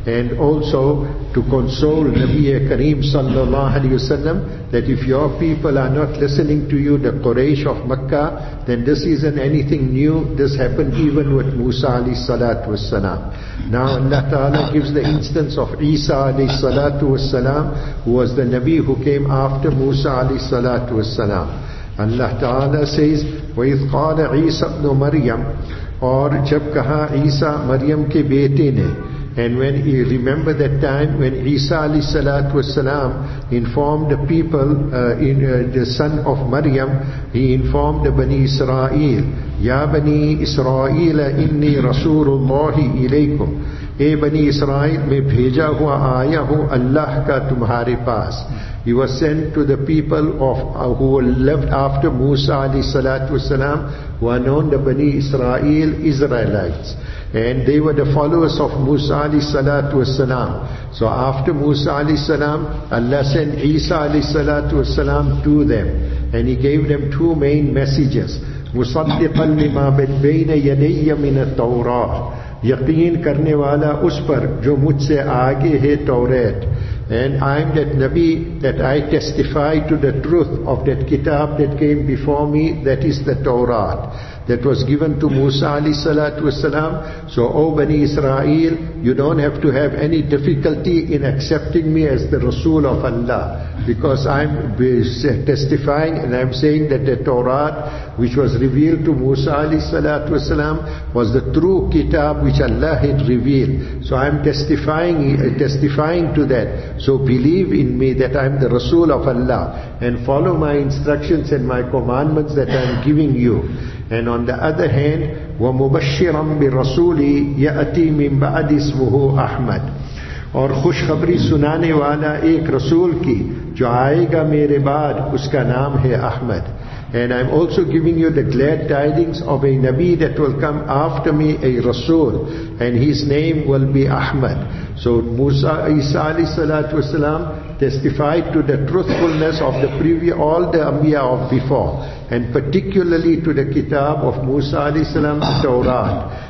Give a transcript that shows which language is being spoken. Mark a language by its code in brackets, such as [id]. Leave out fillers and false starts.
[en] And also to console Nabi Kareem sallallahu alayhi wasallam, that if your people are not listening to you, the Quraysh of Makkah, then this isn't anything new. This happened even with Musa alayhi salatu wasalam. Now Allah Ta'ala gives the instance of Isa alayhi salatu wasalam, who was the Nabi who came after Musa alayhi salatu wasalam. Allah Ta'ala says, [ar] وَإِذْ قَالَ عِيسَى ابْنُ مَرْيَمَ, [ur] اور جب کہا عیسیٰ مریم کے بیٹے نے. [en] And when you remember that time when Isa alayhi salatu wasalam informed the people, the son of Maryam, he informed the Bani Israel, [ar] Ya Bani Israel, inni Rasulullahi ilaykum. [ur] Ey Bani Israel, mein bheja hua aaya hu Allah ka tumhare paas. [en] He was sent to the people of who lived after Musa alayhi salatu wasalam, who are known the Bani Israel, Israelites. And they were the followers of Musa alayhi salatu wasalam. So after Musa alayhi salam, Allah sent Isa alayhi salatu wasalam to them. And He gave them two main messages. [ar] مُصَدِّقًا لِمَا بَيْنَ يَدَيَّ مِنَ التَّوْرَاةِ, [ur] يَقِين کرنے والا اس پر جو مجھ سے آگے ہے تورات. [en] And I am that Nabi that I testify to the truth of that kitab that came before me, that is the Torah that was given to Musa alayhi salatu wasalam. So, O Bani Israel, you don't have to have any difficulty in accepting me as the Rasul of Allah, because I'm testifying and I'm saying that the Torah which was revealed to Musa alayhi salatu wasalam was the true kitab which Allah had revealed. So I'm testifying to that. So believe in me that I'm the Rasul of Allah, and follow my instructions and my commandments that I'm giving you. And on the other hand, [ar] وَمُبَشِّرًا بِرَسُولِ يَأْتِي مِنْ بَعْدِ اسْمُهُ أَحْمَدُ, [ur] اور خوشخبری سنانے والا ایک رسول کی جو آئے گا میرے بعد اس کا نام ہے Ahmad. [en] And I'm also giving you the glad tidings of a Nabi that will come after me, a Rasul, and his name will be Ahmad. So Musa, Isa alayhi salatu wasalam, testified to the truthfulness of the previous, all the Anbiya of before, and particularly to the kitab of Musa alayhi salam, the Torah.